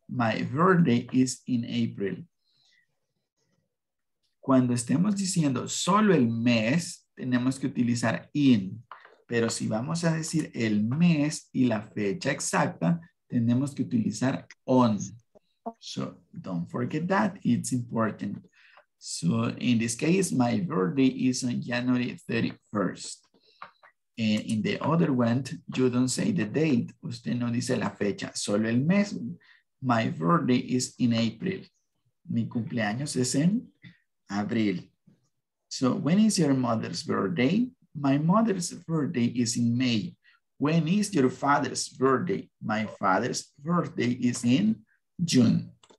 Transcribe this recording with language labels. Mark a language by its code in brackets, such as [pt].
[en] My birthday is in April. [es] Cuando estemos diciendo solo el mes, tenemos que utilizar in. Pero si vamos a decir el mes y la fecha exacta, tenemos que utilizar on. [en] So, don't forget that. It's important. So, in this case, my birthday is on January 31st. And in the other one, you don't say the date. [es] Usted no dice la fecha, solo el mes. [en] My birthday is in April. [es] Mi cumpleaños es en abril. [en] So, when is your mother's birthday? My mother's birthday is in May. When is your father's birthday? My father's birthday is in June.